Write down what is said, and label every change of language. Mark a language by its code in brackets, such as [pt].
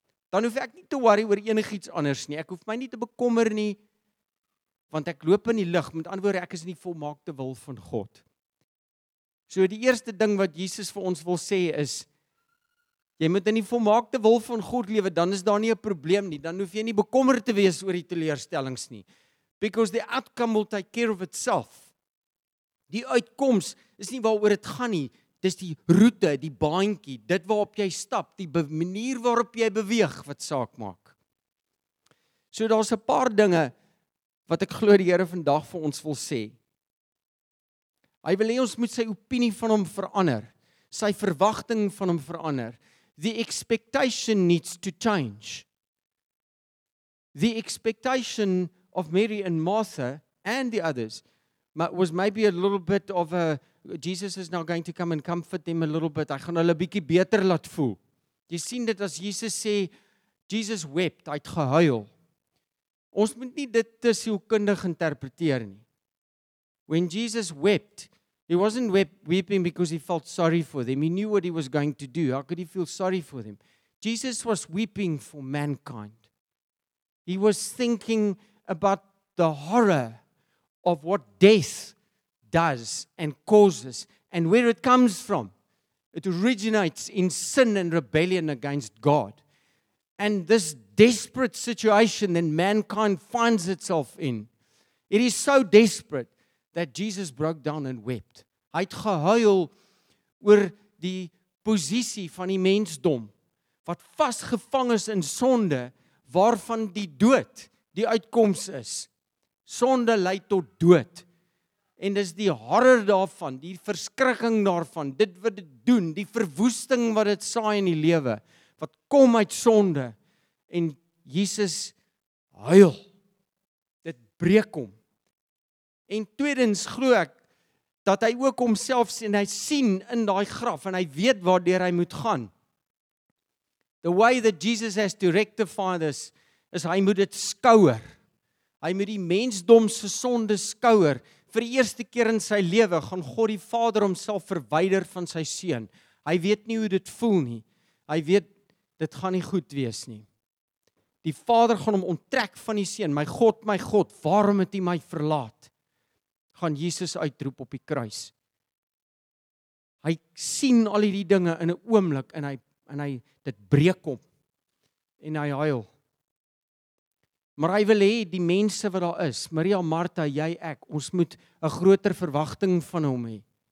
[af] Dan hoef ek nie te worry oor enigiets anders nie. Ek hoef my nie te bekommer nie, want ek loop in die lig. Met ander woorde, ek is in die volmaakte wil van God. So die eerste ding wat Jesus vir ons wil sê is, jy moet in die volmaakte wil van God lewe, dan is daar nie 'n probleem nie. Dan hoef jy nie bekommer te wees oor die teleurstellings nie. [en] Because the outcome will take care of itself. [af] Die uitkoms is nie waaroor dit gaan nie. Dis die roete, die baantjie, dit waarop jy stap, die manier waarop jy beweeg, wat saak maak. So daar's 'n paar dinge wat ek glo die Here vandag vir ons wil sê. Hy wil hê ons moet sy opinie van hom verander, sy verwagting van hom verander. [en] The expectation needs to change. The expectation of Mary and Martha and the others was maybe a little bit of a Jesus is now going to come and comfort them a little bit. [af] Hy gaan hulle 'n bietjie beter laat voel. Jy sien dit as Jesus sê, [en] Jesus wept, [af] hy het gehuil. Ons moet nie dit te sielkundig interpreteer nie. [en] When Jesus wept, he wasn't weeping because he felt sorry for them. He knew what he was going to do. How could he feel sorry for them? Jesus was weeping for mankind. He was thinking about the horror of what death does and causes and where it comes from. It originates in sin and rebellion against God. And this desperate situation that mankind finds itself in, it is so desperate that Jesus broke down and wept. [af] Hy het gehuil oor die posisie van die mensdom wat vasgevang is in sonde waarvan die dood die uitkoms is. Sonde lei tot dood. En dis die horror daarvan, die verskrikking daarvan, dit wat dit doen, die verwoesting wat dit saai in die lewe, wat kom uit sonde. En Jesus huil. Dit breek hom. En tweedens glo ek, dat hy ook homself sien, hy sien in daai graf, en hy weet waardeur hy moet gaan. [en] The way that Jesus has to rectify this, is [af] hy moet dit skouer. Hy moet die mensdom se sonde skouer. Vir die eerste keer in sy lewe gaan God die Vader homself verwyder van sy seun. Hy weet nie hoe dit voel nie. Hy weet, dit gaan nie goed wees nie. Die Vader gaan hom onttrek van die seun. My God, waarom het U my verlaat? Gaan Jesus uitroep op die kruis. Hy sien al hierdie dinge in 'n oomblik en hy dit breek hom. En hy huil. Maar hy wil hê die mense wat daar is, Maria, Martha, jy, ek, ons moet 'n groter verwagting van hom hê.